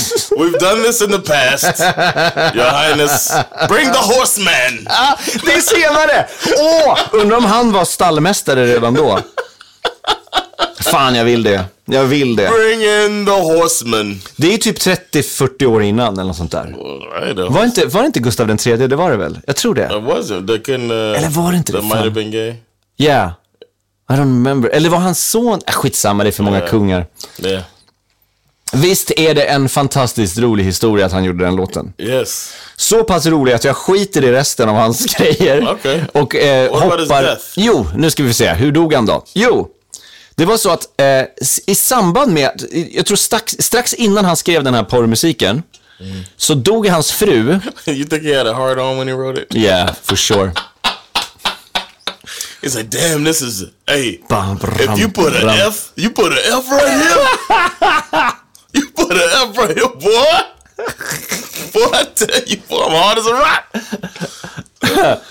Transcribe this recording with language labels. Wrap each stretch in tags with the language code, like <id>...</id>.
<en>We've done this in the past, Your Highness. Bring the horseman.</en> <sv>Ah, det är senare. Åh, undrar om han var stallmästare redan då. Fan, jag vill det. Jag vill det.</sv> <en>Bring in the horseman.</en> <sv>Det är typ 30-40 år innan eller något sånt där.</sv> <en>Right,</en> <sv>var inte Gustav den tredje? Det var det väl. Jag tror det.</sv> <en>It was it. They can,</en> <sv>eller var det inte</sv> <en>that</en> <sv>det?</sv> <en>That might have been gay. Yeah. I don't remember.</en> <sv>Eller var hans son? Skitsamma, det är för många kungar.</sv> <en>Yeah.</en> <sv>Visst är det en fantastiskt rolig historia att han gjorde den låten.</sv> <en>Yes.</en> <sv>Så pass rolig att jag skiter i resten av hans grejer.</sv> <en>Okay.</en> <sv>Och hoppar. Jo, nu ska vi se. Hur dog han då? Jo, det var så att i samband med, jag tror strax innan han skrev den här porrmusiken, så dog hans fru.</sv> <en>You think he had a hard on when he wrote it? Yeah, for sure. He's like, damn, this is, hey, bam, bram, if you put an F, you put an F right here, you put an F right here, boy, boy, I tell you, boy, I'm hard as a rock.</en>